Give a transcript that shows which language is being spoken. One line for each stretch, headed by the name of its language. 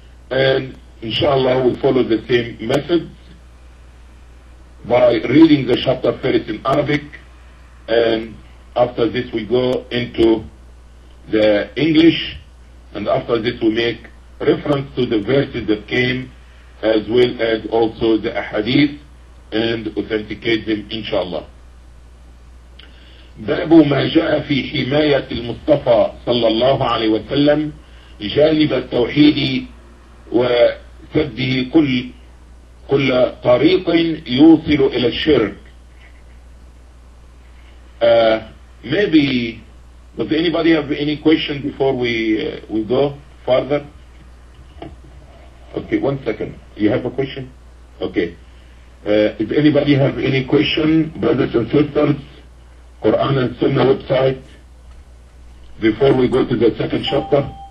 English: And inshallah, we'll follow the same method by reading the chapter first in Arabic, and after this we go into the English, and after this we make reference to the verses that came, as well as also the ahadith, and authenticate them inshallah.
Arabic: باب ما جاء في حماية المصطفى صلى الله عليه وسلم جانب التوحيد وسده كل طريق يوصل إلى الشرك.
English: Maybe does anybody have any question before we go further? Okay, one second. You have a question? Okay. If anybody have any question, brothers and sisters, Quran and Sunnah website, before we go to the second chapter.